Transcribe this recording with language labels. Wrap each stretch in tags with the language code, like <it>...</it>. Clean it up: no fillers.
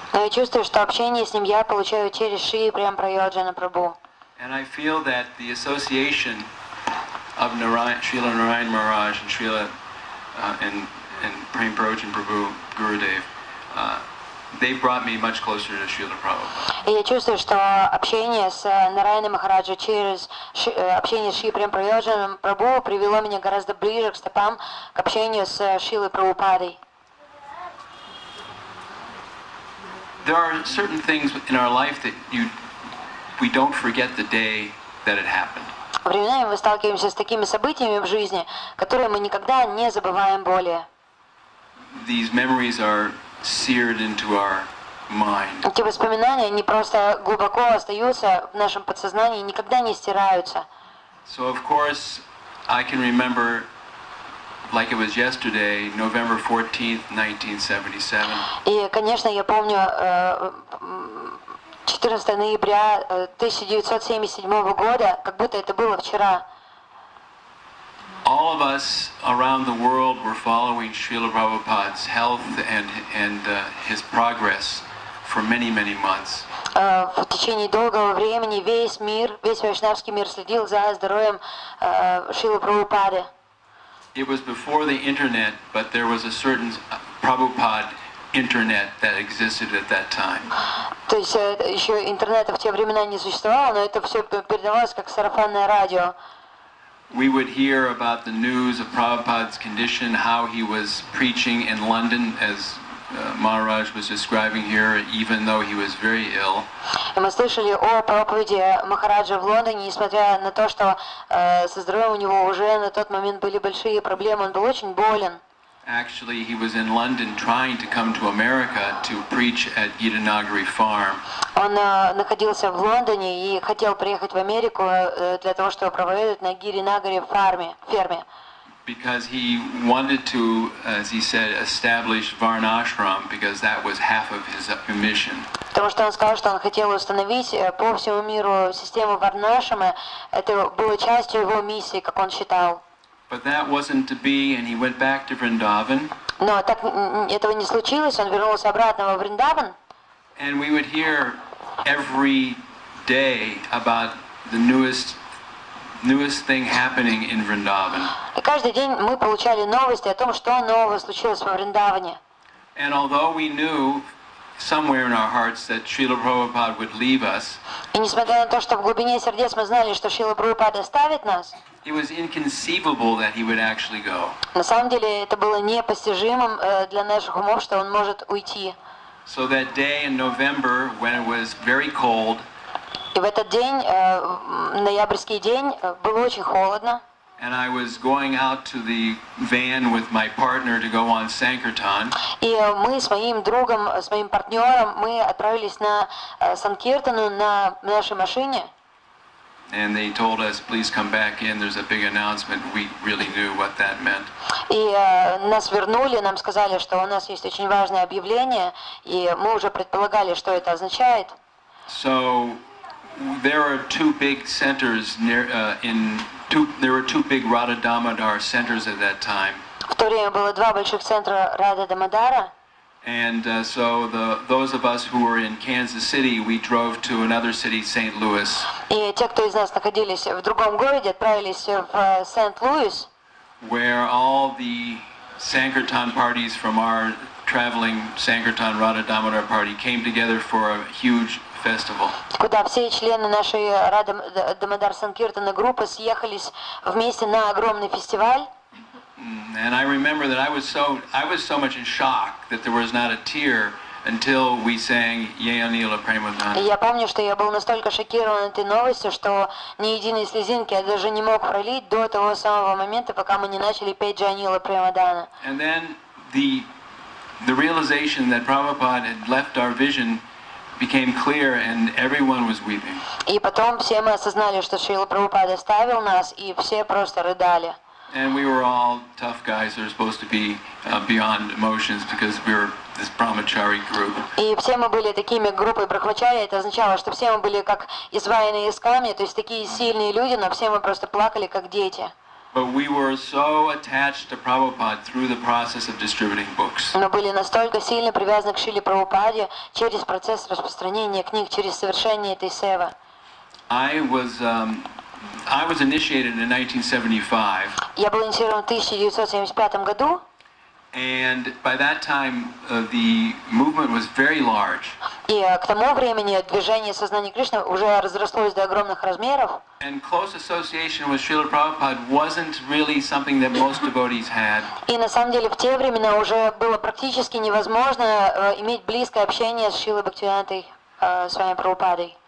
<ru>Но я чувствую, что общение с ним я получаю через Шри Прем Прайоджана Прабху.</ru> <en>And I feel that the association of Srila Narayana Maharaj and Srila and Prem Prayojan Prabhu Gurudev, they brought me much closer to Srila Prabhupada.</en> <ru>И я чувствую, что общение с Нараяной Махараджи через общение с Шри Прем Прайоджаном Прабху привело меня гораздо ближе к стопам, к общению с Шрилой Прабхупадой.</ru> <en>There are certain things in our life that we don't forget the day that it happened.</en> <ru>Временами мы сталкиваемся с такими событиями в жизни, которые мы никогда не забываем более.</ru> <en>These memories are seared into our mind.</en> <ru>Эти воспоминания, они просто глубоко остаются в нашем подсознании и никогда не стираются.</ru> <en>So of course, I can remember like it was yesterday, November 14th, 1977.</en> <ru>И, конечно, я помню 14 ноября 1977 года, как будто это было вчера.</ru> <en>All of us around the world were following Srila Prabhupada's health and his progress for many, many months.</en> <ru>В течение долгого времени весь мир, весь вайшнавский мир следил за здоровьем Шрилы Прабхупады.</ru> <en>It was before the internet, but there was a certain Prabhupada internet that existed at that time.</en> <ru>То есть еще интернета в те времена не существовало, но это все передавалось как сарафанное радио.</ru> <en>We would hear about the news of Prabhupada's condition, how he was preaching in London, as Maharaj was describing here, even though he was very ill.</en> <ru>Мы слышали о проповеди Махараджа в Лондоне, несмотря на то, что со здоровьем у него уже на тот момент были большие проблемы, он был очень болен.</ru> <en>Actually, he was in London trying to come to America to preach at Gita Nagari Farm.</en> <ru>Он находился в Лондоне и хотел приехать в Америку для того, чтобы проповедовать на Гири Нагари ферме.</ru> <en>Because he wanted to, as he said, establish Varnashram, because that was half of his mission.</en> <ru>Потому что он сказал, что он хотел установить по всему миру систему Варнашрама. Это было частью его миссии, как он считал.</ru> <en>But that wasn't to be, and he went back to Vrindavan.</en> <ru>Но так этого не случилось. Он вернулся обратно во Вриндаван.</ru> <en>And we would hear every day about the newest thing happening in Vrindavan.</en> <ru>И каждый день мы получали новости о том, что нового случилось во Вриндаване.</ru> <en>And although we knew somewhere in our hearts that Srila Prabhupada would leave us.</en> <ru>И несмотря на то, что в глубине сердец мы знали, что Шрила Прабхупада оставит нас.</ru> <en>It was inconceivable that he would actually go.</en> <ru>На самом деле, это было непостижимым для наших умов, что он может уйти.</ru> <en>So that day in November, when it was very cold.</en> <ru>И в этот день, ноябрьский день, было очень холодно.</ru> <en>And I was going out to the van with my partner to go on Sankirtan.</en> <ru>И мы с моим другом, с моим партнером, мы отправились на Санкиртану на нашей машине.</ru> <en>And they told us, please come back in, there's a big announcement. We really knew what that meant.</en> <ru>И нас вернули, нам сказали, что у нас есть очень важное объявление, и мы уже предполагали, что это означает.</ru> <en>So there are two big centers near there were two big Radha Damodar centers at that time.</en> <ru>В то время было два больших центра Радха Дамодара.</ru> <en>And so those of us who were in Kansas City, we drove to another city, St. Louis.</en> <ru>И те, кто из нас находились в другом городе, отправились в Сент-Луис.</ru> <en>Where all the Sankirtan parties from our traveling Sankirtan Radha Damodar party came together for a huge festival.</en> <ru>Куда все члены нашей Радха Дамодар Санкиртана группы съехались вместе на огромный фестиваль.</ru> <en>And I remember that I was so much in shock that there was not a tear until we sang Ye Anila Premadana.</en> <ru>Я помню, что я был настолько шокирован этой новостью, что ни единой слезинки я даже не мог пролить до того самого момента, пока мы не начали петь Ye Anila Premadana.</ru> <en>And then the realization that Prabhupada had left our vision became clear, and everyone was weeping.</en> <ru>И потом все мы осознали, что Шрила Прабхупада оставил нас, и все просто рыдали.</ru> <en>And we were all tough guys that are supposed to be beyond emotions because we were this brahmachari group.</en> <ru>И все мы были такими группой брахмачари. Это означало, что все мы были как изваянные из камня, то есть такие сильные люди, но все мы просто плакали как дети.</ru> <en>But we were so attached to Prabhupada through the process of distributing books.</en> <ru>Мы были настолько сильно привязаны к Шриле Прабхупаде через процесс распространения книг, через совершение этой севы.</ru> <en>I was initiated in 1975.</en> <ru>Я был инициирован в 1975 году.</ru> <en>And by that time the movement was very large.</en> <ru>И к тому времени движение сознания Кришны уже разрослось до огромных размеров.</ru> <en>And close association with Srila Prabhupada wasn't really something that most devotees had.</en> <ru>И на самом деле в те времена уже было практически невозможно иметь близкое общение с Шрилой Бхактивинодой Свами Прабхупадой.</ru>